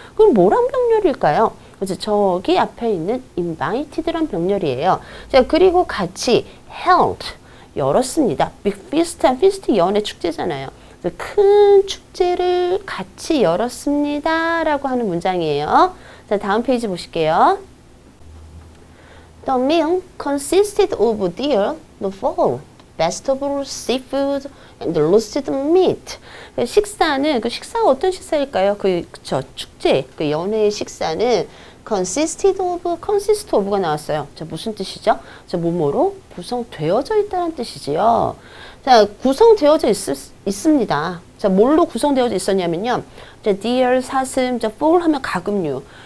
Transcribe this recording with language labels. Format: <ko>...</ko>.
<ko>그럼 뭐란 병렬일까요? 그래서 저기 앞에 있는 invited란 병렬이에요. 자, 그리고 같이 held 열었습니다.</ko> <en>Big feast,</en> <ko>feast 연회 축제잖아요. 큰 축제를 같이 열었습니다 라고 하는 문장이에요. 자, 다음 페이지 보실게요.</ko> <en>The meal consisted of deer, the fowl, vegetables, seafood, and roasted meat.</en> <ko>식사는, 그 식사가 어떤 식사일까요? 그쵸, 축제, 그 연회의 식사는 consisted of, consist of가 나왔어요. 자, 무슨 뜻이죠? 자, 뭐뭐로 구성되어져 있다는 뜻이지요. 자, 구성되어져 있습니다. 자, 뭘로 구성되어져 있었냐면요. 자, deer, 사슴, 자, fowl 하면 가금류.</ko>